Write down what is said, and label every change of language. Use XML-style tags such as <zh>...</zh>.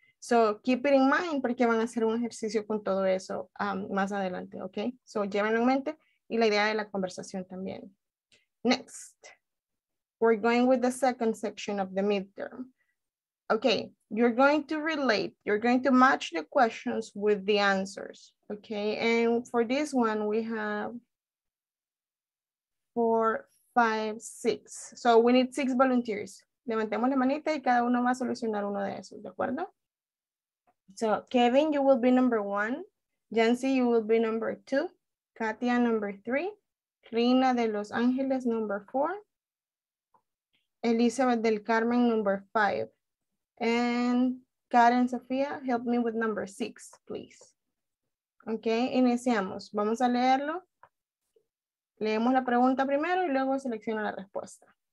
<en>So, keep it in mind</en> <es>porque van a hacer un ejercicio con todo eso más adelante, okay? So, llévenlo en mente y la idea de la conversación también.</es> <en>Next. We're going with the second section of the midterm. Okay, you're going to relate. You're going to match the questions with the answers. Okay, and for this one, we have 4, 5, 6. So we need 6 volunteers.</en> <es>Levantemos la manita y cada uno va a solucionar uno de esos, ¿de acuerdo?</es> <en>So Kevin, you will be number 1. Jancy, you will be number 2. Katia, number 3. Rina de Los Angeles, number 4. Elizabeth del Carmen, number 5. And Karen Sofía, help me with number 6, please.</en> <es>Ok, iniciamos. Vamos a leerlo. Leemos la pregunta primero y luego selecciono la respuesta.</es>